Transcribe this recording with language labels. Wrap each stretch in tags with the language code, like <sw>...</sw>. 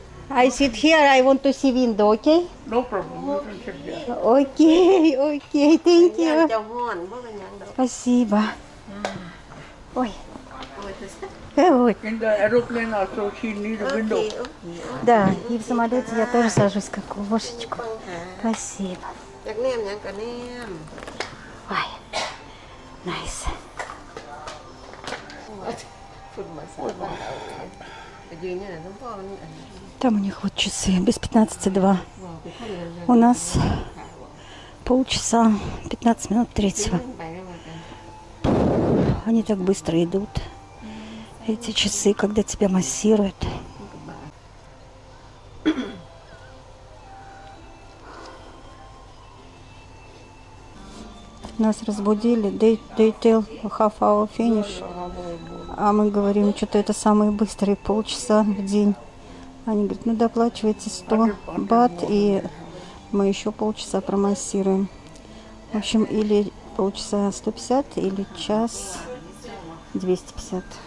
<en>I sit here, I want to see window, okay? No problem, you can sit there. Okay, thank you.</en> <ru>Спасибо. Ой.</ru> <en>In the aeroplane also, she needs a window.</en> <ru>Да, и в самолете я тоже сажусь, как в окошечко. Спасибо. Ой, nice. Там у них вот часы, без 15:02. У нас полчаса, 15 минут третьего. Они так быстро идут, эти часы, когда тебя массируют. Нас разбудили,</ru> <en>they tell half hour finish.</en> <ru>А мы говорим, что-то это самые быстрые полчаса в день. Они говорят, ну доплачивайте 100 бат, и мы еще полчаса промассируем. В общем, или полчаса 150, или час 250.</ru>